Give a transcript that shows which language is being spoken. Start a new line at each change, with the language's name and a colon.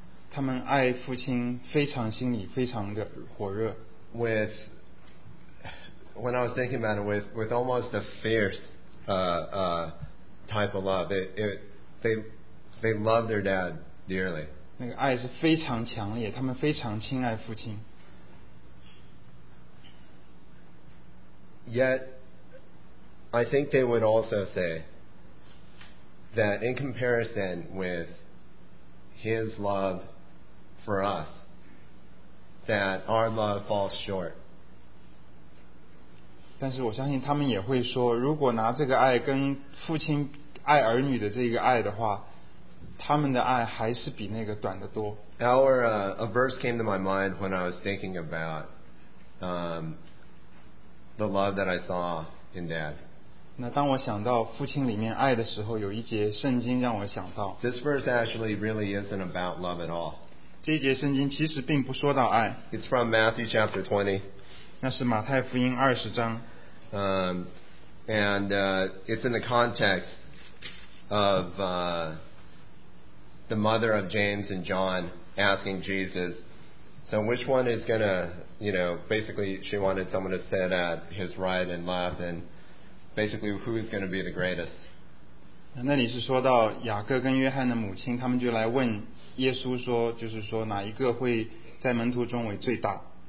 Chinese: 他们爱父亲非常心里非常的火热。
English: With when I was thinking about it, with almost a fierce type of love, they love their dad dearly.
Chinese: 那个爱是非常强烈，他们非常亲爱父亲。
English: Yet, I think they would also say that in comparison with his love for us, that our love falls short.
Chinese: 但是我相信他们也会说，如果拿这个爱跟父亲爱儿女的这个爱的话，他们的爱还是比那个短得多。
English: Our a verse came to my mind when I was thinking about the love that I saw in Dad.
Chinese: 那当我想到父亲里面爱的时候，有一节圣经让我想到。
English: This verse actually really isn't about love at all.
Chinese: 这一节圣经其实并不说到爱。
English: It's from Matthew chapter 20.
Chinese: 那是马太福音二十章。
English: It's in the context of the mother of James and John asking Jesus, so which one is going to, you know, basically she wanted someone to sit at his right and left, and basically who is going to be the greatest.
Chinese: 那里是说到雅各跟约翰的母亲，他们就来问耶稣说，就是说哪一个会在门徒中为最大。